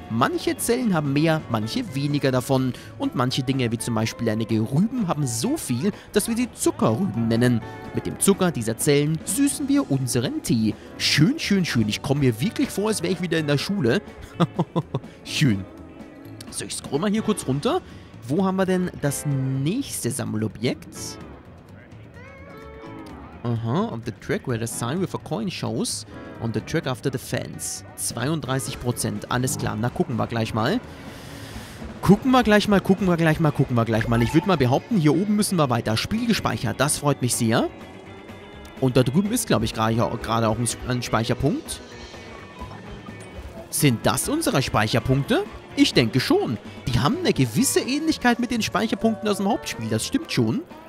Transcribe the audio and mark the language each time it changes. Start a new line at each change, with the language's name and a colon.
German: Manche Zellen haben mehr, manche weniger davon. Und manche Dinge, wie zum Beispiel einige Rüben, haben so viel, dass wir sie Zuckerrüben nennen. Mit dem Zucker dieser Zellen süßen wir unseren Tee. Schön, schön, schön. Ich komme mir wirklich vor, als wäre ich wieder in der Schule. Schön. So, ich scroll mal hier kurz runter. Wo haben wir denn das nächste Sammelobjekt?
English: Aha, on the track where the sign with a coin shows. On the track after the fans.
German: 32%. Alles klar. Na, gucken wir gleich mal. Gucken wir gleich mal, gucken wir gleich mal, gucken wir gleich mal. Ich würde mal behaupten, hier oben müssen wir weiter. Spiel gespeichert, das freut mich sehr. Und da drüben ist, glaube ich, gerade auch ein Speicherpunkt. Sind das unsere Speicherpunkte? Ich denke schon. Die haben eine gewisse Ähnlichkeit mit den Speicherpunkten aus dem Hauptspiel, das stimmt schon.